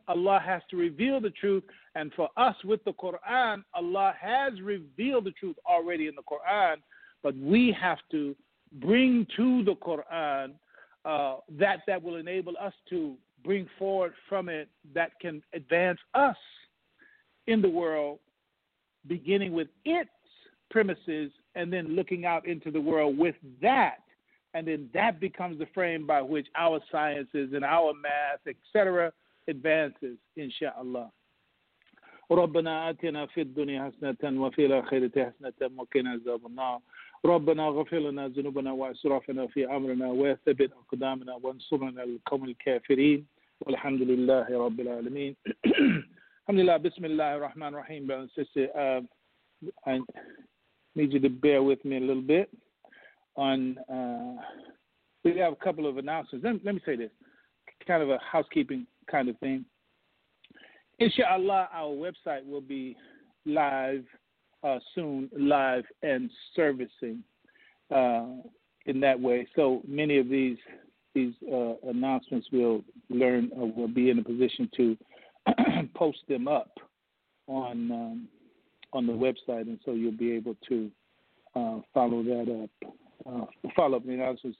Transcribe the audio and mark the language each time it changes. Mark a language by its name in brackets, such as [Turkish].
[English] Allah has to reveal the truth, and for us with the Quran, Allah has revealed the truth already in the Quran, but we have to bring to the Quran that will enable us to bring forward from it that can advance us in the world, beginning with its premises and then looking out into the world with that. And then that becomes the frame by which our sciences and our math, et cetera, advances, inshallah. [Arabic] ربنا آتنا في الدنيا حسنة وفي الآخرة حسنة وقنا عذاب النار ربنا اغفر لنا ذنوبنا وإسرافنا في أمرنا وثبت أقدامنا وانصرنا على القوم الكافرين والحمد لله رب العالمين الحمد لله بسم الله الرحمن الرحيم [English] brothers and sisters, I need you to bear with me a little bit on we have a couple of announcements. Let me say this, kind of a housekeeping kind of thing. Inshallah, our website will be live soon, live and servicing in that way. So many of these announcements we'll learn or will be in a position to post them up on the website, and so you'll be able to follow that up, follow up the announcements.